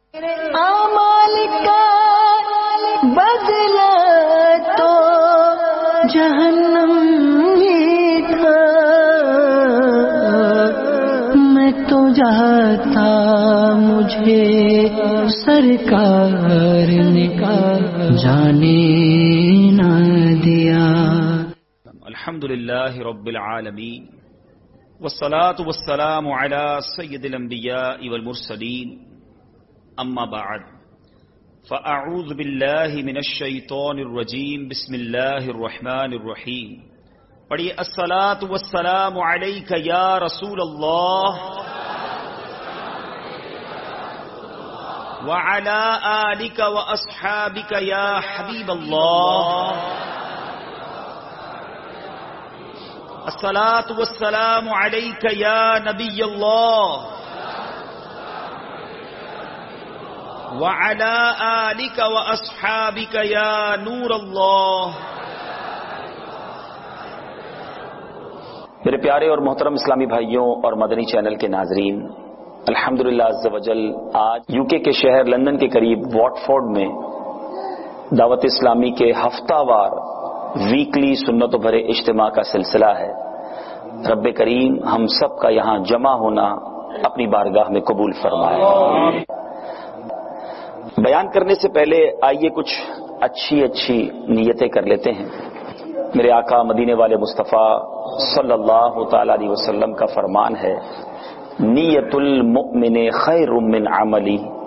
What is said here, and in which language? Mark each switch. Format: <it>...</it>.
<ur>اعمال کا بدلہ تو جہنم ہی تھا، میں تو جاتا مجھے سرکار نے جانے نہ دیا۔</ur> <ar>الحمد لله رب العالمين والصلاة والسلام على سيد الأنبياء والمرسلين أما بعد فأعوذ بالله من الشيطان الرجيم بسم الله الرحمن الرحيم</ar> <ur>پڑھیے</ur> <ar>الصلاة والسلام عليك يا رسول الله وعلى آلك وأصحابك يا حبيب الله الصلاة والسلام عليك يا نبي الله وعلى آلك وأصحابك يا نور الله۔</ar> <ur>میرے پیارے اور محترم اسلامی بھائیوں اور مدنی چینل کے ناظرین، الحمدللہ عزوجل آج یو کے شہر لندن کے قریب واٹفورڈ میں دعوت اسلامی کے ہفتہ وار ویکلی سنت بھرے اجتماع کا سلسلہ ہے۔ رب کریم ہم سب کا یہاں جمع ہونا اپنی بارگاہ میں قبول فرمائے۔ بیان کرنے سے پہلے آئیے کچھ اچھی اچھی نیتیں کر لیتے ہیں۔ میرے آقا مدینے والے مصطفیٰ صلی اللہ تعالی علیہ وسلم کا فرمان ہے،</ur> <ar>نیت المؤمن خیر من عملی،</ar>